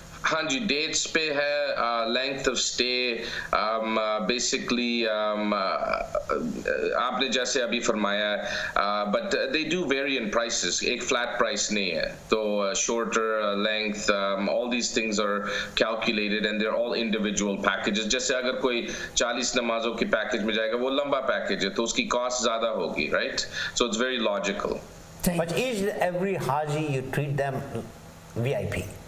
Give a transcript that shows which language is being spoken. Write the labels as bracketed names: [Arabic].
[English] ہاں جی، dates پہ ہے، length of stay، basically آپ نے جیسے ابھی فرمایا، but they do vary in prices. Ek flat price nahi hai, so shorter length, all these things are calculated and they're all individual packages. [Urdu] جیسے اگر کوئی 40 نمازوں کی package میں جائے گا، وہ لمبا package ہے، تو اس کی cost زیادہ ہوگی، right? [English] So it's very logical. But is every haji, you treat them VIP?